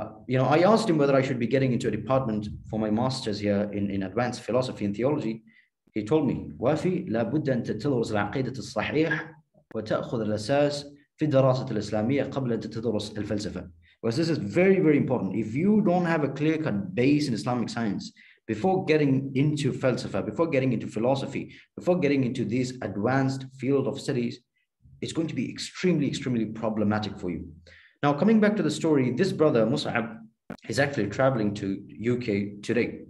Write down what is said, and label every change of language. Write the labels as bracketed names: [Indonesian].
[English] You know, I asked him whether I should be getting into a department for my master's here in advanced philosophy and theology. He told me, [Arabic] Wafi, لا بد أن تدرس العقيدة الصحيح وتأخذ الأساس في الدراسة الإسلامية قبل أن تدرس الفلسفة. [English] Because this is very, very important. If you don't have a clear-cut base in Islamic science, before getting into falsafa, before getting into philosophy, before getting into this advanced field of studies, it's going to be extremely, extremely problematic for you. Now, coming back to the story, this brother, Musab, is actually traveling to UK today.